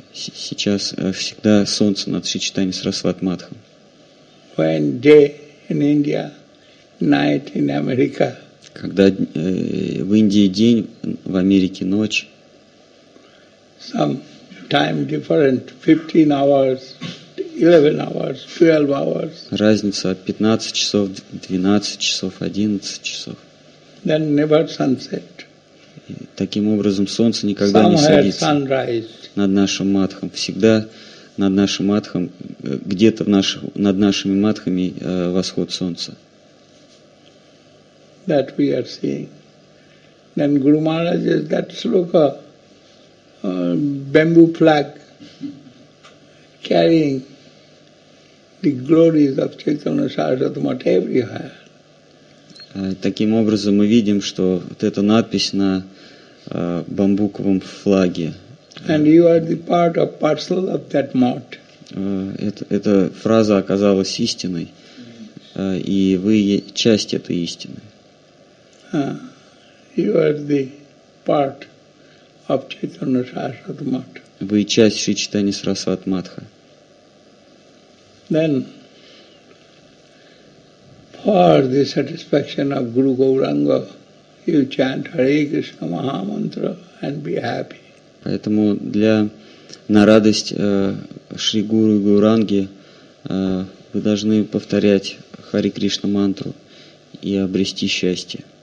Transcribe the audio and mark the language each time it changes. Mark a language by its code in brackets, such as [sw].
[ru] Сейчас всегда солнце над Шри Чайтанья Сарасвати Матхом. [en] When day in India, night in America. [ru] Когда в Индии день, в Америке ночь. [en] Some time different, 15 hours, 11 hours, 12 hours. [ru] Разница 15 часов, 12 часов, 11 часов. [en] Then never sunset. [ru] И таким образом солнце никогда [en] Somewhere [ru] не садится. [en] Sunrise. [ru] Над нашим матхом. Всегда над нашим матхом, где-то над нашими матхами восход солнца. [en] That we are seeing. Then Guru Maharaj is that sloka, bamboo flag, carrying the glories of Chaitanya Sarasvati Math everywhere. [ru] Таким образом мы видим, что вот эта надпись на бамбуковом флаге. [en] And you are the part of parcel of that mat. [ru] Эта фраза оказалась истиной, и вы часть этой истины. [en] You are the part of Chaitanya Sarasvati Math. [ru] Вы часть Шри Чайтанья Сарасвати Матха. [en] Then, for the satisfaction of Guru Gauranga, you chant Hare Krishna Maha Mantra and be happy. [ru] Поэтому для на радость Шри Гуру и Гауранги вы должны повторять Хари Кришна мантру и обрести счастье.